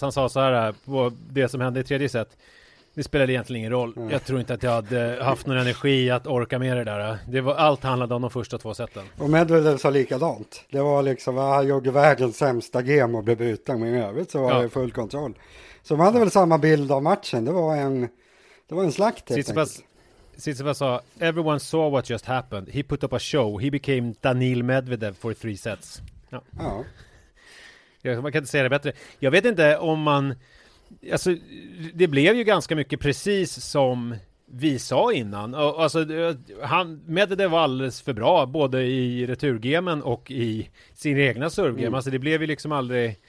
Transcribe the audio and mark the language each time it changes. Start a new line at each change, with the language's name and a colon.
Swedish: Han sa så här på det som hände i tredje set: det spelade egentligen ingen roll. Jag tror inte att jag hade haft någon energi att orka med det där. Det var, allt handlade om de första två seten. Och Medvedev sa likadant. Det var liksom, jag gjorde världens sämsta game och blev bruten, men i övrigt så var det full kontroll. Så man hade väl samma bild av matchen. Det var en slakt. Tsitsipas sa:
English: everyone saw what just happened. He put up a show. He became Daniil Medvedev for 3 sets.
Swedish: Ja. Man kan inte säga det bättre. Jag vet inte om man... Alltså, det blev ju ganska mycket precis som vi sa innan. Alltså, Medvedev var alldeles för bra, både i returgemen och i sin egna servegem. Alltså, det blev ju liksom aldrig...